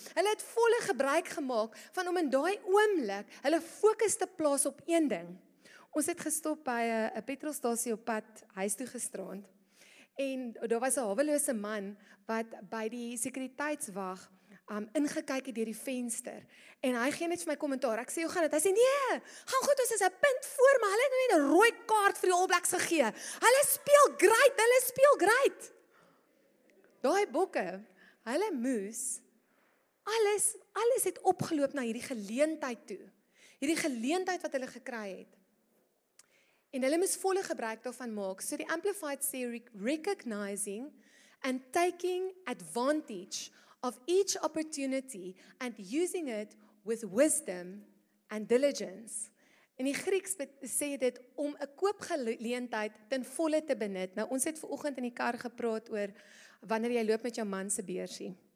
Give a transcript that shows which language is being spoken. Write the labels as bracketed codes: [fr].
[af] Hulle het volle gebruik gemaak van om in daai oomblik hulle fokus te plaas op een ding. Ons het gestop by 'n petrolstasie op pad huis toe gisterand. En daar was 'n hawelose man wat by die sekuriteitswag ingekyk het deur die venster. En hy gee net vir my kommentaar. Ek sê, "Hoe gaan dit?" Hy sê, "Nee, gaan goed, ons is 'n punt voor, maar hulle het nou net 'n rooi kaart vir die All Blacks gegee. Hulle speel great. Daai bokke, hulle moes alles het opgeloop na hierdie geleentheid toe. Hierdie geleentheid wat hulle gekry het. En hulle moes volle gebruik daarvan maak. So die Amplified sê [en] recognizing and taking advantage of each opportunity and using it with wisdom and diligence. [af] In die Grieks sê dit om 'n koopgeleentheid ten volle te benut. Nou ons het vanoggend in die kar gepraat oor wanneer jy loop met jou man se beursie.